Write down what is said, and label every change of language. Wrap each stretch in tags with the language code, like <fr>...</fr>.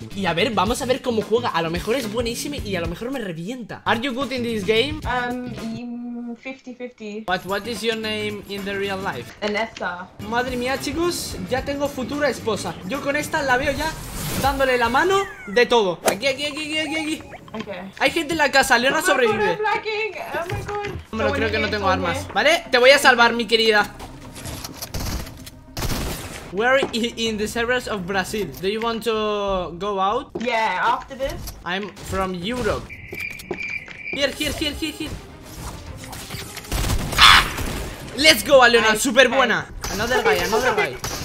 <es>Y a ver, vamos a ver cómo juega. A lo mejor es buenísimo y a lo mejor me revienta.</es> <en>Are you good in this game? 50-50. But what is your name in the real life? Vanessa.</en> <es>Madre mía, chicos, ya tengo futura esposa. Yo con esta la veo ya dándole la mano de todo. Aquí, aquí, aquí, aquí, aquí. Okay. Hay gente en la casa, Leona sobrevive.</es> <en>Oh my god.</en> <es>Hombre, creo que no tengo armas. Vale, te voy a salvar, mi querida.</es> <en>Where in the servers of Brazil? Do you want to go out? Yeah, after this. I'm from Europe. Here, here, here, here, here. Let's go, Aliona,</en> <es>super buena.</es> <en>Another guy, another guy.</en>